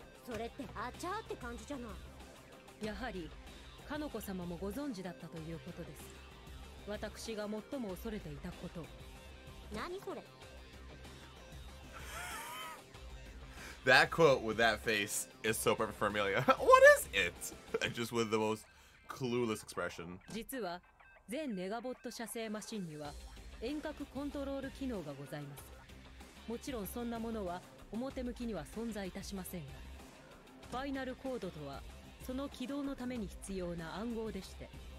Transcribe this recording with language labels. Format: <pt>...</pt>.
<ja>それって、あちゃーって感じじゃない。やはり、かのこ様もご存知だったということです。私が最も恐れていたこと。何それ</ja> <en>That quote with that face is so perfect for Amelia. What is it? Just with the most clueless expression.</en> <ja>実は、全ネガボット射精マシンには、遠隔コントロール機能がございます。もちろん、そんなものは、表向きには存在いたしませんが、ファイナルコードとはその起動のために必要な暗号でして。</ja>